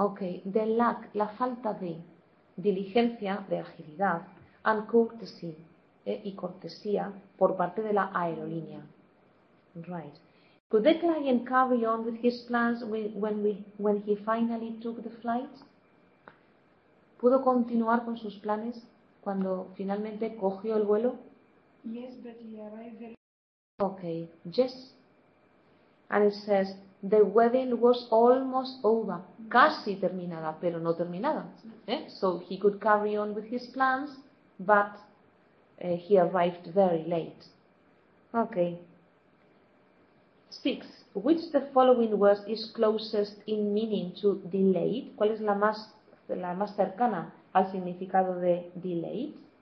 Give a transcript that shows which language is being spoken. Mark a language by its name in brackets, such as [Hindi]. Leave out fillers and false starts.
[Spanish] Okay, [English] the lack, [Spanish] la falta de diligencia, de agilidad, [English] and courtesy, [Spanish] y cortesía por parte de la aerolínea. Right. [English] Could the client carry on with his plans when he finally took the flight? [Spanish] ¿Pudo continuar con sus planes cuando finalmente cogió el vuelo? [English] Yes, but he arrived there. Okay, yes. And it says, the wedding was almost over. Mm-hmm. [Spanish] Casi terminada, pero no terminada. [English] Mm-hmm. So he could carry on with his plans, but he arrived very late. Okay. Six, which the following words is closest in meaning to delayed? [Spanish] ¿Cuál es la más cercana al significado de delayed?